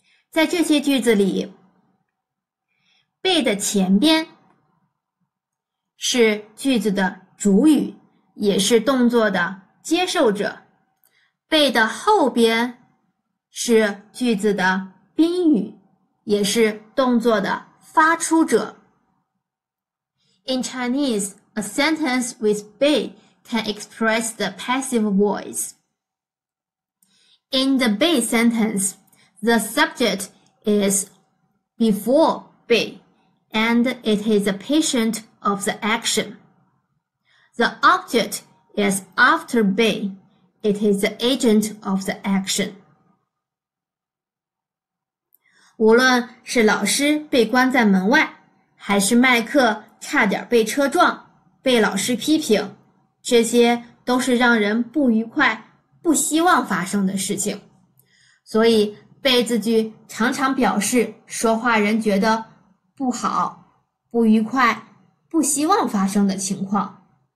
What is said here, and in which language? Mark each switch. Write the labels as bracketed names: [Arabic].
[Chinese] 在这些句子里，被的前边是句子的主语，也是动作的接受者，被的后边是句子的宾语，也是动作的发出者。 [English] In Chinese, a sentence with be can express the passive voice. In the be sentence, the subject is before be, and it is a patient of the action. The object is after be, it is the agent of the action. [Chinese] 无论是老师被关在门外，还是麦克差点被车撞，被老师批评，这些都是让人不愉快、不希望发生的事情。所以被字句常常表示说话人觉得不好、不愉快、不希望发生的情况。